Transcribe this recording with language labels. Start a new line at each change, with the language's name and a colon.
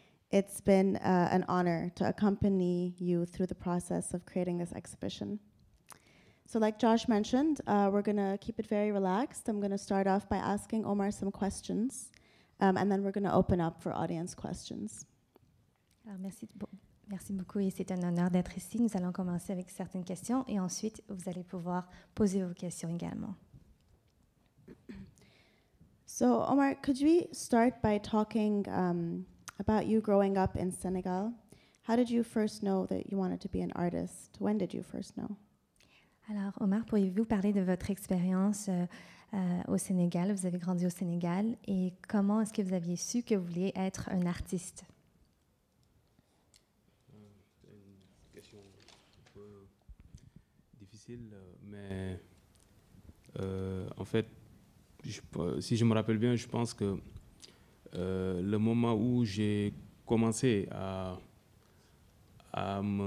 English: It's been an honor to accompany you through the process of creating this exhibition. So like Josh mentioned, we're gonna keep it very relaxed. I'm gonna start off by asking Omar some questions, and then we're gonna open up for audience questions.
French: Alors, merci beaucoup, et c'est un honneur d'être ici. Nous allons commencer avec certaines questions, et ensuite, vous allez pouvoir poser vos questions également.
English: So Omar, could we start by talking about you growing up in Senegal? How did you first know that you wanted to be an artist? When did you first know?
French: Alors, Omar, pourriez-vous parler de votre expérience au Sénégal? Vous avez grandi au Sénégal. Et comment est-ce que vous aviez su que vous vouliez être un artiste? C'est une question un peu difficile, mais en fait, si je me rappelle bien, je pense que le moment où j'ai commencé à